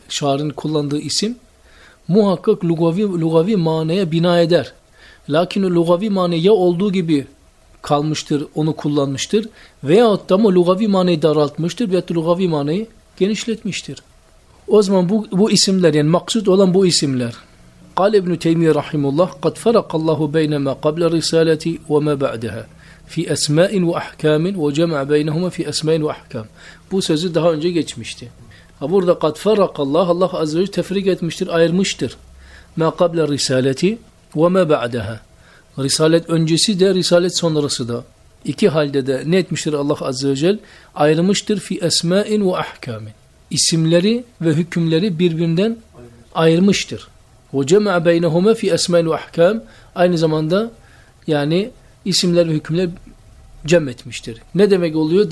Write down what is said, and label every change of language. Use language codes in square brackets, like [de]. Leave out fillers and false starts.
[tr] Şarın kullandığı isim muhakkak lugavi manaya bina eder. Lakin o lugavi mana ya olduğu gibi kalmıştır, onu kullanmıştır veyahut da mı lugavi manayı daraltmıştır veyahut da lugavi manayı genişletmiştir. O zaman bu isimler, yani maksud olan bu isimler. [ar] قال ابن تيمية رحمه الله قد فرق الله بين ما قبل الرسالة وما بعدها في أسماء وأحكام وجمع بينهما في أسماء وأحكام. [tr] Bu sözü daha önce geçmişti. Ha, burada [ar] قد فرق الله, [tr] Allah azze ve celle tefrik etmiştir, ayırmıştır. [ar] ما قبل الرسالة وما بعدها. [tr] Risalet öncesi de risalet sonrası da, iki halde de ne etmiştir Allah azze ve celle? Ayırmıştır [ar] fi esma'in ve ahkamin. [tr] İsimleri ve hükümleri birbirinden ayırmıştır. [ar] Ve cema'a beynehuma fi esma'in ve ahkam. [tr] Aynı zamanda yani isimler ve hükümler cem etmiştir. Ne demek oluyor?